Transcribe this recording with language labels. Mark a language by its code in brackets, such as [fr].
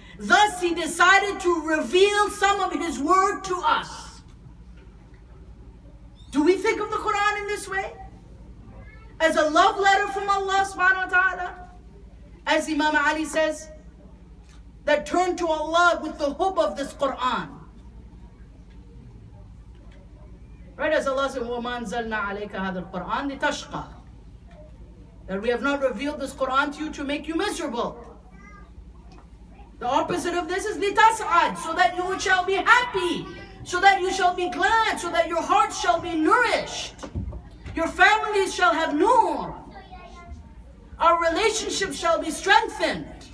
[en] Thus He decided to reveal some of His word to us. Do we think of the Quran in this way? As a love letter from Allah subhanahu wa ta'ala? As Imam Ali says, that turn to Allah with the hope of this Quran. Right, as Allah says, [ar] وَمَا أَنزَلْنَا عَلَيْكَ هَذَا الْقُرْآنَ لِتَشْقَى. [en] That we have not revealed this Quran to you to make you miserable. The opposite of this is litas'ad, so that you shall be happy, so that you shall be glad, so that your heart shall be nourished, your families shall have nur, our relationships shall be strengthened.